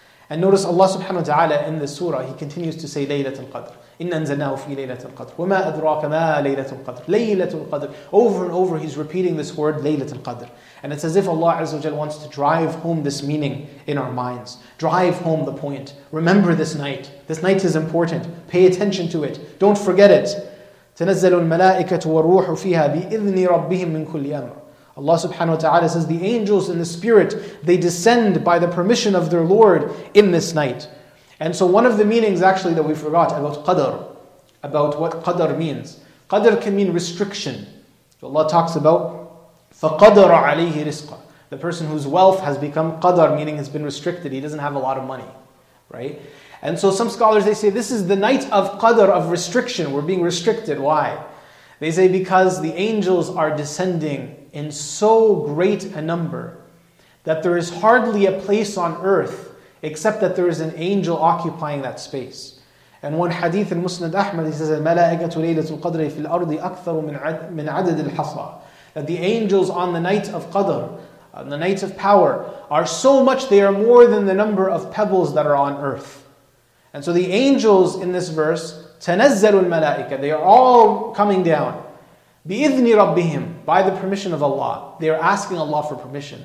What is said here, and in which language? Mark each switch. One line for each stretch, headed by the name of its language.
English: And notice Allah subhanahu wa ta'ala in this surah, He continues to say, Laylatul Qadr.
Arabic: إِنَّ أَنزَلْنَاهُ فِي لَيْلَةِ الْقَدْرِ وَمَا أَدْرَاكَ مَا لَيْلَةُ الْقَدْرِ لَيْلَةُ الْقَدْرِ.
English: Over and over He's repeating this word, لَيْلَةُ الْقَدْرِ. And it's as if Allah Azza wa Jalla wants to drive home this meaning in our minds. Drive home the point. Remember this night. This night is important. Pay attention to it.
Arabic: Don't forget it. تَنَزَّلُ الْمَلَائِكَةُ وَالرُّوحُ فِيهَا بِإِذْنِ رَبِّهِمْ مِنْ كُلِّ أَمْرٍ.
English: Allah subhanahu wa ta'ala says, the angels and the spirit, they descend by the permission of their Lord in this night. And so one of the meanings actually that we forgot about qadr, about what qadr means. Qadr can mean restriction. So Allah talks about فَقَدَرَ عَلَيْهِ رِزْقًا. The person whose wealth has become qadr, meaning has been restricted, he doesn't have a lot of money, right? And so some scholars, they say, this is the night of qadr, of restriction. We're being restricted. Why? They say, because the angels are descending in so great a number that there is hardly a place on earth except that there is an angel occupying that space.
Arabic: And one hadith in Musnad Ahmad, he says, الْمَلَائِكَةُ لَيْلَةُ الْقَدْرِ فِي الْأَرْضِ أَكْثَرُ مِنْ عَدَدِ الْحَصَى.
English: That the angels on the night of qadr, on the night of power, are so much, they are more than the number of pebbles that are on earth. And so the angels in this verse, تَنَزَّلُ الْمَلَائِكَةُ, they are all coming down. بِإِذْنِ رَبِّهِمْ, by the permission of Allah. They are asking Allah for permission.